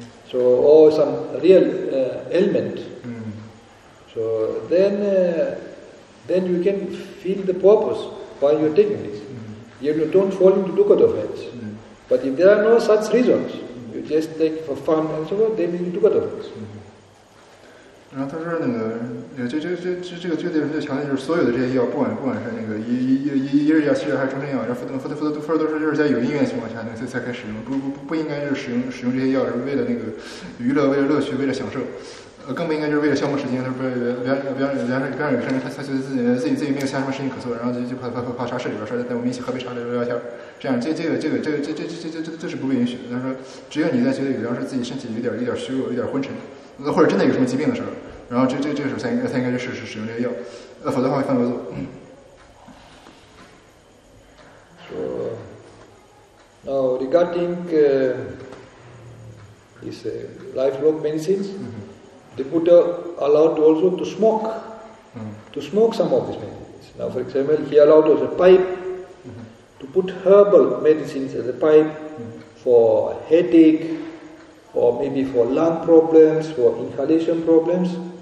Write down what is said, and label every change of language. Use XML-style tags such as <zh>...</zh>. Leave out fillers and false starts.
<en>So, or some real ailment. So then you can feel the purpose while you're taking this. You don't fall into dukkha offense. But if there are no such reasons, you just take for fun and so on, then you dukkha offense.</en> <zh>然后他说那个，这个具体的强调就是所有的这些药，不管是那个一日药、七日药还是终身药，然后负责都是就是在有意愿情况下那才开始用，不应该就是使用这些药是为了那个娱乐、为了乐趣、为了享受，更不应该就是为了消磨时间，他说不要有生人他自己没有其他什么事情可做，然后就跑茶室里边说带我们一起喝杯茶聊天。这样，这是不被允许的。他说，只有你在觉得有，要是自己身体有点虚弱、有点昏沉，或者真的有什么疾病的时候，然后这个时候才应该就试使用这个药，否则的话会犯过错。</zh> <en>So, now regarding his lifelong medicines, the Buddha allowed also to smoke some of these medicines. Now, for example, he allowed as a pipe. To put herbal medicines as a pipe for headache or maybe for lung problems, for inhalation problems.</en>